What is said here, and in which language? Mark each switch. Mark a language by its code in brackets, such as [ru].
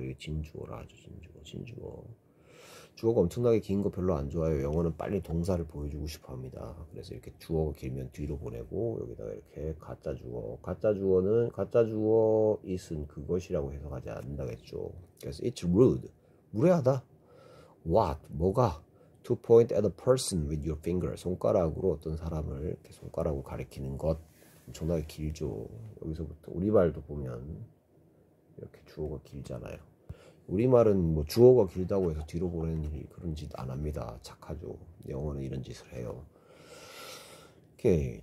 [ko] 이게 진주어라 아주 진주어. 주어가 엄청나게 긴거 별로 안 좋아해요. 영어는 빨리 동사를 보여주고 싶어 합니다. 그래서 이렇게 주어가 길면 뒤로 보내고 여기다가 이렇게 가짜 주어. 가짜 주어는 가짜 주어 is은 그것이라고 해석하지 않는다고 했죠. 그래서 [en] it's rude. [ko] 무례하다. [en] What? [ko] 뭐가? [en] To point at a person with your finger. [ko] 손가락으로 어떤 사람을 이렇게 손가락으로 가리키는 것. 엄청나게 길죠. 여기서부터 우리말도 보면 이렇게 주어가 길잖아요. 우리말은 뭐 주어가 길다고 해서 뒤로 보내는 일이 그런 짓안 합니다. 착하죠. 영어는 이런 짓을 해요. 오케이.